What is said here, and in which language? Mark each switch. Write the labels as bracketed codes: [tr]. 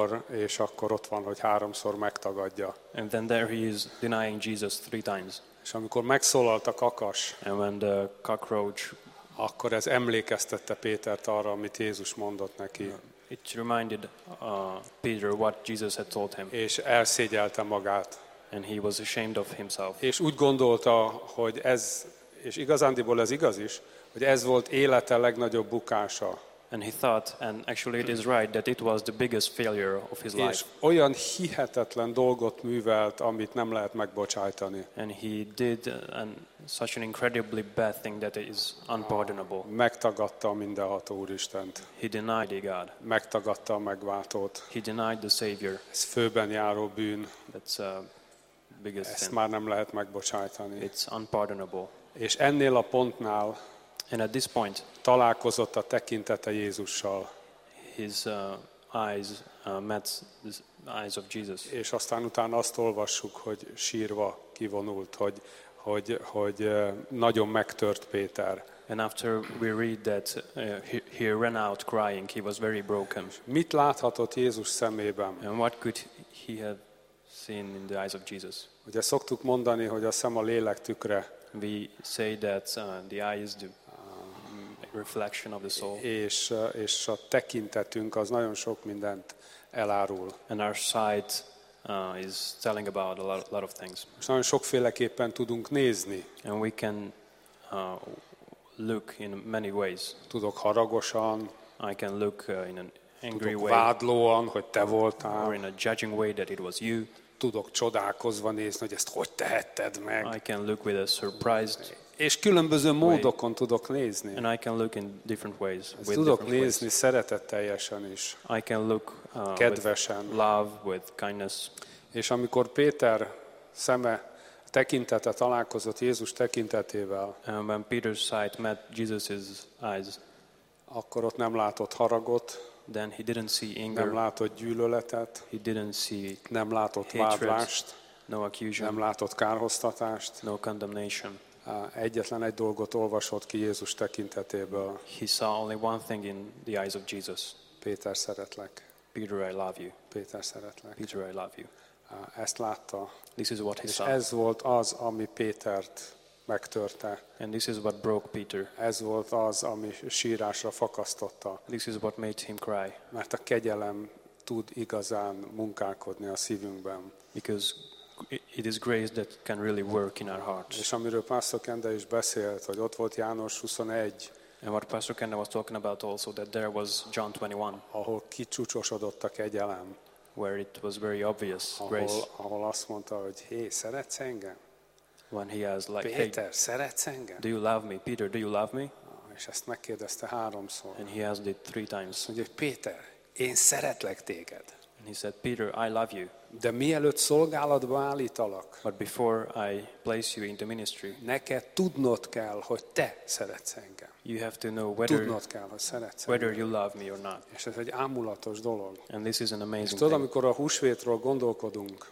[hu] És akkor ott van, hogy 3-szor megtagadja. [en] And then there he is denying Jesus 3 times. [hu] És amikor megszólalt a kakas, [en] and when the cockroach, [hu] akkor ez emlékeztette Pétert arra, amit Jézus mondott neki. [en] It reminded Peter what Jesus had told him. [hu] És elszégyelte magát. [en] And he was ashamed of himself. [hu] És úgy gondolta, hogy ez, és igazándiból ez igaz is, hogy ez volt élete legnagyobb bukása. [en] And he thought, and actually it is right, that it was the biggest failure of his life. [hu] És olyan hihetetlen dolgot művelt, amit nem lehet megbocsájtani. [en] And he did such an incredibly bad thing that is unpardonable. [hu] Megtagadta a mindenható Úristent. [en] He denied God. [hu] Megtagadta a megváltót. [en] He denied the Savior. [hu] Ez főben járó bűn. [en] That's a biggest sin. [hu] Ezt már nem lehet megbocsájtani. [en] It's unpardonable. [hu] És ennél a pontnál, [en] and at this point, [hu] találkozott a tekintete Jézussal. [en] His eyes met the eyes of Jesus. [hu] És aztán utána azt olvassuk, hogy sírva kivonult, hogy nagyon megtört Péter. [en] And after we read that he ran out crying, he was very broken. [hu] Mit láthatott Jézus szemében? [en] And what could he have seen in the eyes of Jesus? [hu] Ugye szoktuk mondani, hogy a szem a lélek tükre. [en] we say that the eye is the reflection of the soul. [hu] És a tekintetünk az nagyon sok mindent elárul. [en] And our sight is telling about a lot of things. [hu] És nagyon sokféleképpen tudunk nézni. [en] And we can look in many ways. [hu] Tudok haragosan. [en] I can look in an angry way. [hu] Vádlóan, hogy te voltál. [en] Or in a judging way that it was you. [hu] Tudok csodálkozva nézni, hogy ezt hogy tehetted meg. [en] I can look with a surprised. [hu] És különböző módokon tudok nézni. [en] And I can look in different ways. [hu] Tudok nézni szeretetteljesen is. [en] I can look [hu] kedvesen. [en] With love, with kindness. [hu] És amikor Péter szeme tekintete találkozott Jézus tekintetével. [en] And when Peter's sight met Jesus's eyes. [hu] Akkor ott nem látott haragot. [en] Then he didn't see anger. [hu] Nem látott gyűlöletet. [en] He didn't see. [hu] Nem látott vádlást. [en] No accusation. [hu] Nem látott kárhoztatást. [en] No condemnation. [hu] Egyetlen egy dolgot olvasott ki Jézus tekintetéből. [en] He saw only one thing in the eyes of Jesus. [hu] Péter, szeretlek. [en] Peter, I love you. [hu] Péter, szeretlek. [en] Peter, I love you. [hu] Ezt látta. [en] This is what he [hu] és [en] saw. [hu] Ez volt az, ami Pétert megtörte. [en] And this is what broke Peter. [hu] Ez volt az, ami sírásra fakasztotta. [en] This is what made him cry. [hu] Mert a kegyelem tud igazán munkálkodni a szívünkben. [en] Because it is grace that can really work in our hearts. [hu] És amiről Pastor Kenda is beszélt, hogy ott volt János 21. [en] And what Pastor Kenda was talking about also, that there was John 21. [hu] Ahol kicsúcsosodott a kegyelem. [en] Where it was very obvious grace. [hu] Ahol azt mondta, hogy hey, szeretsz engem? [en] When he has like, [hu] Peter, szeretsz engem? [en] Do you love me, Peter? Do you love me? [hu] És ezt megkérdezte háromszor. [en] And he asked it three times. [hu] Azt mondja, Peter, én szeretlek téged. [en] And he said, Peter, I love you. [hu] De mielőtt szolgálatba állítalak. [en] But before I place you in the ministry. [hu] Neked tudnod kell, hogy te szeretsz engem. [en] You have to know whether. [hu] Tudnod kell, hogy szeretsz. [en] Whether you love me or not. [hu] És ez egy ámulatos dolog. [en] And this is an amazing thing. [hu] És tudod, amikor a húsvétről gondolkodunk.